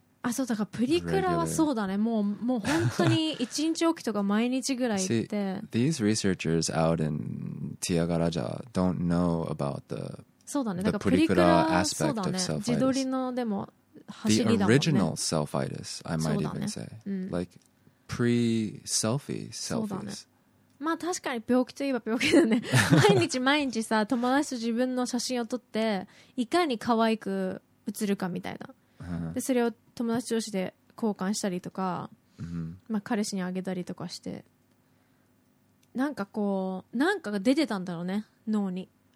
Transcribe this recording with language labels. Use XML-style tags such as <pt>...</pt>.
<ja>あ、そうだからプリクラはそうだね。もう本当に1日おきとか毎日ぐらい行って。</ja> <en>See, these researchers out in Tiagaraja don't know about the</en> <ja>そうだね。だからプリクラ</ja> <en>aspect of self-itis.</en> <ja>自撮りのでも走りだもんね。</ja> <en>The original self-itis, I might even say. Like,Pre-selfie selfies.</en> <ja>そうだね。まあ確かに病気といえば病気だね。毎日毎日さ、友達と自分の写真を撮って、いかに可愛く写るかみたいな。で、それを友達同士で交換したりとか、まあ彼氏にあげたりとかして、なんかこう、なんかが出てたんだろうね、脳に。</ja>